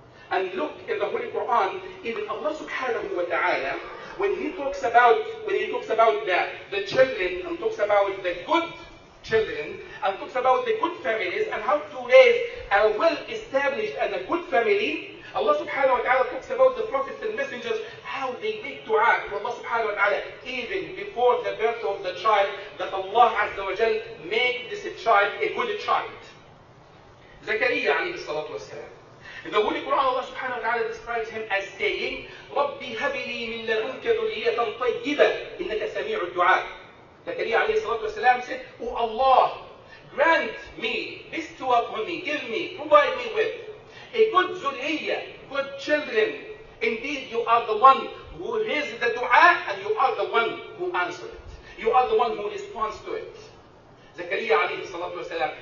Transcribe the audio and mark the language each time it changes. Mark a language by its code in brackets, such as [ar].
[en] And look in the Holy Quran, even Allah subhanahu wa ta'ala, when he talks about the children, and talks about the good children, and talks about the good families, and how to raise a well-established and a good family, Allah subhanahu wa ta'ala talks about the prophets and messengers, how they make dua to Allah subhanahu wa ta'ala, even before the birth of the child, that Allah azza wa jal make this child a good child. [ar] زكريا عليه الصلاة والسلام. [en] In the Holy Quran, Allah [ar] سبحانه وتعالى [en] describes him as saying, [ar] ربي هب لي من لدنك ذرية طيبة إنك سميع الدعاء. زكريا عليه الصلاة والسلام [en] said, O Allah, grant me, bestow upon me, give me, provide me with a good ذرية, good children. Indeed, you are the one who raises the dua and you are the one who answers it. You are the one who responds to it. Zakariya alayhi salatu wa salam.